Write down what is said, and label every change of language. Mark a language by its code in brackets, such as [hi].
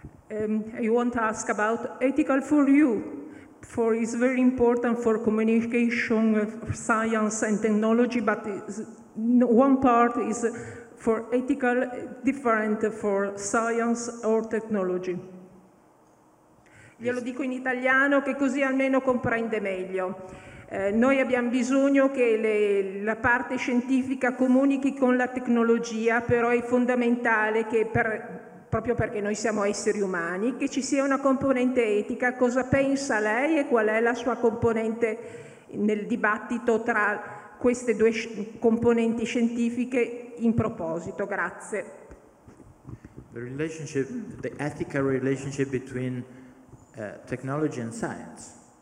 [en] I want to ask about ethical for you, for it's very important for communication, science and technology, but one part is for ethical, different for science or technology. [it] Glielo dico in italiano, che così almeno comprende meglio. Noi abbiamo bisogno che la parte scientifica comunichi con la tecnologia, però è fondamentale che proprio perché noi siamo esseri umani, che ci sia una componente etica. Cosa pensa lei e qual è la sua componente nel dibattito tra queste due componenti scientifiche in proposito? Grazie. [en] The relationship, the ethical relationship between technology and science.